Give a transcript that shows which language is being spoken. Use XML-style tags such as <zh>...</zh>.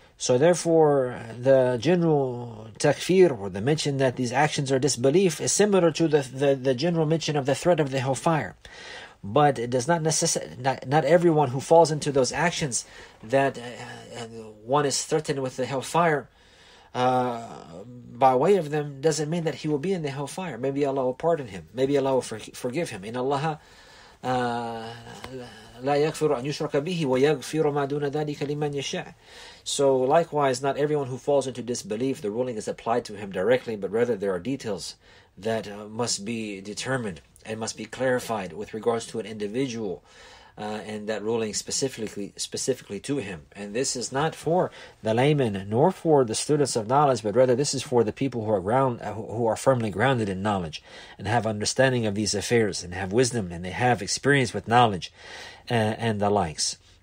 <en>So therefore, the general takfir, or the mention that these actions are disbelief, is similar to the general mention of the threat of the hellfire. But it does not necessarily, not everyone who falls into those actions that one is threatened with the hellfire, by way of them, doesn't mean that he will be in the hellfire. Maybe Allah will pardon him. Maybe Allah will forgive him. In Allah,</en> <ar>لَا يَغْفِرُ أَنْ يُشْرَكَ بِهِ وَيَغْفِرُ مَا دُونَ ذَلِكَ لِمَنْ يَشَعَ.</ar> <en>So likewise, not everyone who falls into disbelief, the ruling is applied to him directly, but rather there are details that must be determined and must be clarified with regards to an individual, and that ruling specifically to him. And this is not for the layman nor for the students of knowledge, but rather this is for the people who are firmly grounded in knowledge and have understanding of these affairs and have wisdom and they have experience with knowledge and the likes.</en>